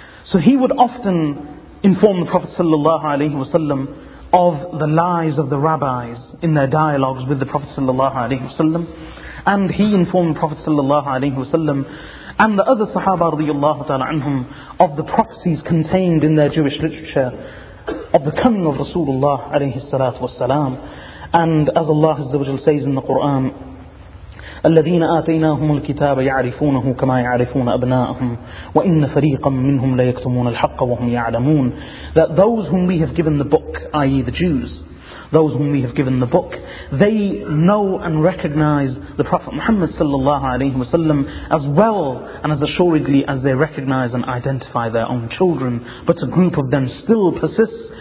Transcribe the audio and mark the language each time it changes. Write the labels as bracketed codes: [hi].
[en] So he would often inform the Prophet sallallahu alaihi wasallam of the lies of the rabbis in their dialogues with the Prophet sallallahu alaihi wasallam, and he informed the Prophet sallallahu alaihi wasallam and the other Sahaba radiyallahu ta'ala anhum of the prophecies contained in their Jewish literature of the coming of Rasulullah alayhi salatu wasalam. And as Allah Azza wa Jal says in the Quran, [ar] الَّذِينَ آتَيْنَاهُمُ الْكِتَابَ يَعْرِفُونَهُ كَمَا يَعْرِفُونَ أَبْنَاءَهُمْ وَإِنَّ فَرِيقًا مِّنْهُمْ لَيَكْتُمُونَ الْحَقَّ وَهُمْ يَعْلَمُونَ. [en] That those whom we have given the book, i.e. the Jews, those whom we have given the book, they know and recognize the Prophet Muhammad sallallahu alaihi wasallam as well and as assuredly as they recognize and identify their own children. But a group of them still persists